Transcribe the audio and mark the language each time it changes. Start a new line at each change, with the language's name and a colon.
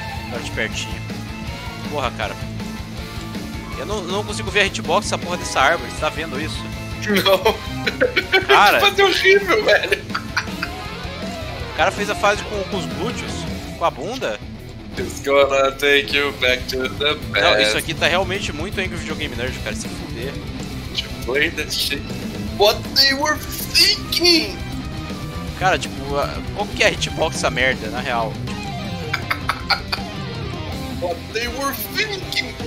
Portuguese: Tô de pertinho. Porra, cara. Eu não consigo ver a hitbox essa porra dessa árvore, você tá vendo isso? Não. Cara. Isso vai ser horrível, velho. O cara fez a fase com os glúteos, com a bunda.
English: It's gonna take you back to the past.
Portuguese: Não, isso aqui tá realmente muito angry videogame nerd, cara, se fuder.
English: To play that shit. What they were thinking!
Portuguese: Cara, tipo, qual que é a hitbox essa merda, na real?
English: What they were thinking!